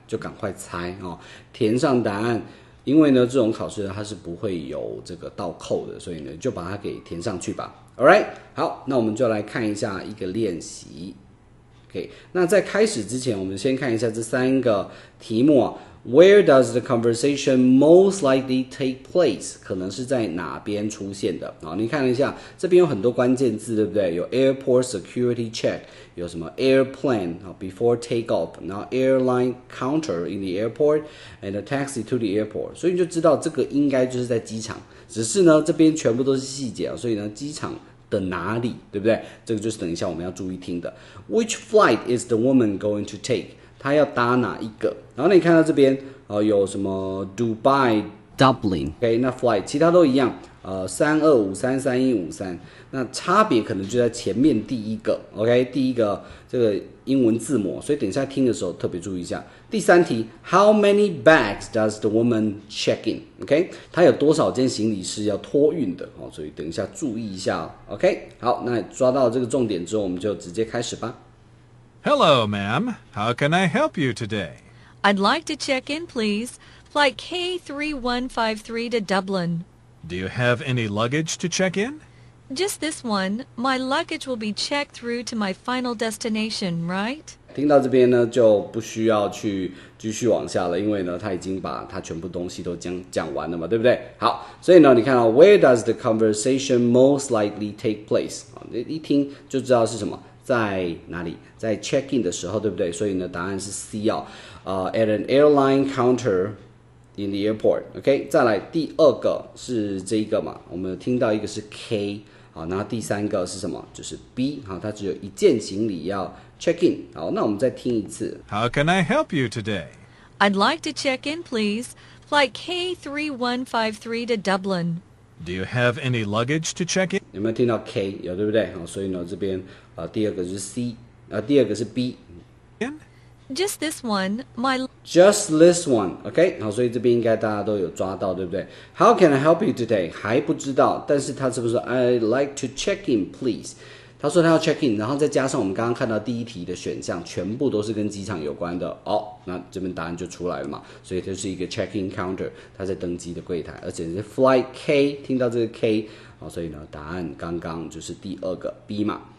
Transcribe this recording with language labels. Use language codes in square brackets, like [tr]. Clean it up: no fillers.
[zh] 就赶快猜啊、哦，填上答案。因为呢，这种考试它是不会有这个倒扣的，所以呢就把它给填上去吧。 All right， 好，那我们就来看一下一个练习。 OK， 那在开始之前，我们先看一下这三个题目啊。 [en] Where does the conversation most likely take place? [zh] 可能是在哪边出现的？好，你看一下，这边有很多关键字，对不对？有 [en] airport security check， [zh] 有什么 [en] airplane before takeoff， [zh] 然后 [en] airline counter in the airport [zh] and a taxi to the airport， 所以你就知道这个应该就是在机场，只是呢，这边全部都是细节，所以呢，机场的哪里，对不对？这个就是等一下我们要注意听的。 [en] Which flight is the woman going to take? [zh] 他要搭哪一个？然后你看到这边，有什么 Dubai [en] Dublin. [zh] Okay, 那 flight 其他都一样，325-33153。那差别可能就在前面第一个 ，OK， 第一个这个英文字母，所以等一下听的时候特别注意一下。 [en] 第三题 ，How many bags does the woman check in？ [zh] OK， 她有多少件行李是要托运的？哦，所以等一下注意一下。 OK， 好，那抓到这个重点之后，我们就直接开始吧。 [en] Hello, ma'am. How can I help you today? I'd like to check in, please. Flight K3153 to Dublin. Do you have any luggage to check in? Just this one. My luggage will be checked through to my final destination, right? [zh] 听到这边呢，就不需要去继续往下了，因为呢，他已经把他全部东西都讲完了嘛，对不对？ [en] 好，所以呢，你看到 where does the conversation most likely take place？ [zh] 一听就知道是什么，在哪里，在 check in 的时候，对不对？所以呢，答案是 C 哦， [en] at an airline counter. In the airport, OK. [zh] 再来第二个是这一个嘛，我们听到一个是 K， 好，然后第三个是什么？就是 B， 好，它只有一件行李要 check in。好，那我们再听一次。 [en] How can I help you today? I'd like to check in, please. Flight K3153 to Dublin. Do you have any luggage to check in? [zh] 有没有听到 K？ 有，对不对？好，所以呢，这边第二个是 C， 第二个是 B。 [en] In? Just this one, my... Just this one, OK? [zh] 好，所以这边应该大家都有抓到，对不对？ [en] How can I help you today? [zh] 还不知道，但是他是不是 [en] I'd like to check in, please? [zh] 他说他要 check in, 然后再加上我们刚刚看到第一题的选项，全部都是跟机场有关的。哦，那这边答案就出来了嘛。所以这是一个 check-in counter, 他在登机的柜台，而且是 flight K, 听到这个 K, 好，所以呢，答案刚刚就是第二个 B 嘛。